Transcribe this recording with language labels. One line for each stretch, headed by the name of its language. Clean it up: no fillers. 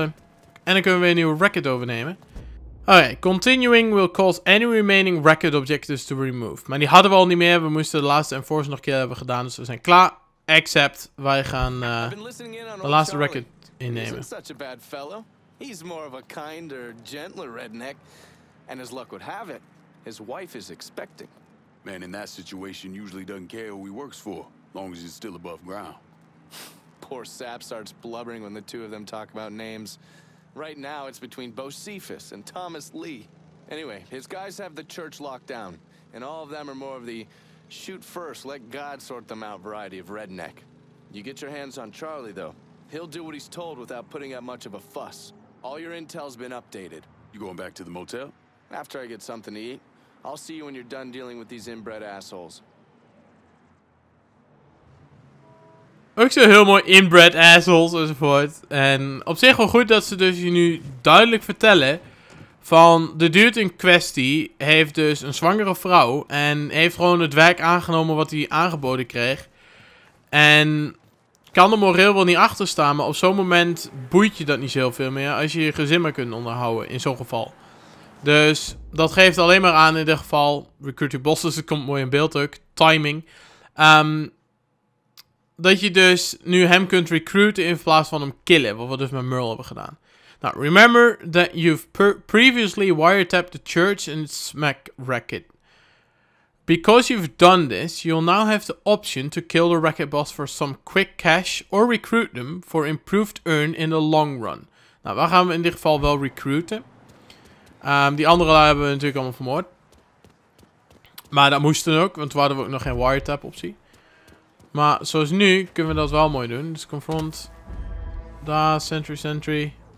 Dutch: En dan kunnen we weer een nieuwe record overnemen.
English: Oké, okay, continuing will cause any remaining record objectives to remove.
Dutch: Maar die hadden we al niet meer. We moesten de laatste enforcer nog een keer hebben gedaan. Dus we zijn klaar.
English: Except,
Dutch: wij gaan de laatste record innemen.
English: He's such a bad fellow. He's more of a kinder, gentler redneck. And as luck would have it, his wife is expecting. Man in that situation usually doesn't care who he works for, long as he's still above ground. Poor sap starts blubbering when the two of them talk about names. Right now, it's between Bocephus and Thomas Lee. Anyway, his guys have the church locked down, and all of them are more of the shoot first, let God sort them out variety of redneck. You get your hands on Charlie, though. He'll do what he's told without putting up much of a fuss. All your intel's been updated. You going back to the motel? After I get something to eat. I'll see you when you're done dealing with these inbred assholes.
Dutch: Ook zo heel mooi,
English: inbred assholes
Dutch: enzovoort. En op zich wel goed dat ze dus je nu duidelijk vertellen van de dude in kwestie heeft dus een zwangere vrouw en heeft gewoon het werk aangenomen wat hij aangeboden kreeg. En kan er moreel wel niet achter staan, maar op zo'n moment boeit je dat niet zoveel meer als je je gezin maar kunt onderhouden in zo'n geval. Dus dat geeft alleen maar aan in dit geval. Recruiting bosses, het komt mooi in beeld ook. Timing. Dat je dus nu hem kunt recruiten in plaats van hem killen. Wat we dus met Merle hebben gedaan.
English: Now, remember that you've previously wiretapped the church and smack racket. Because you've done this, you'll now have the option to kill the racket boss for some quick cash or recruit them for improved earn in the long run.
Dutch: Nou, waar gaan we in dit geval wel recruiten? Die andere daar hebben we natuurlijk allemaal vermoord. Maar dat moesten ook, want toen hadden we ook nog geen wiretap optie. Maar zoals nu kunnen we dat wel mooi doen. Dus confront. Daar, sentry, sentry.